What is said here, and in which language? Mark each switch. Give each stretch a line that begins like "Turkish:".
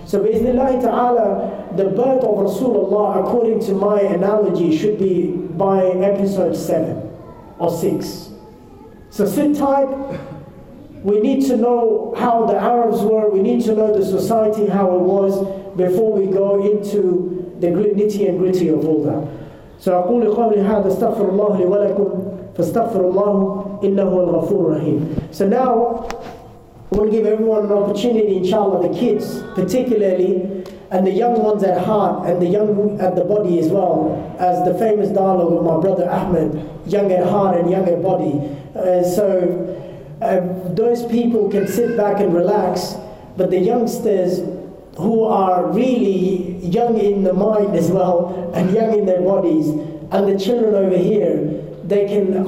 English: So bismillah ta'ala, the birth of Rasulullah, according to my analogy, should be by episode 7 or 6. So sit tight. We need to know how the Arabs were. We need to know the society, how it was, before we go into the nitty and gritty of all that.
Arabic: So أقول قولي هذا استغفر الله لي ولكم فاستغفر الله إنه الغفور الرحيم.
English: So now I want to give everyone an opportunity, inshallah, the kids particularly, and the young ones at heart, and the young at the body as well, as the famous dialogue of my brother Ahmed, young at heart and young at body. Those people can sit back and relax, but the youngsters who are really young in the mind as well, and young in their bodies, and the children over here, they can.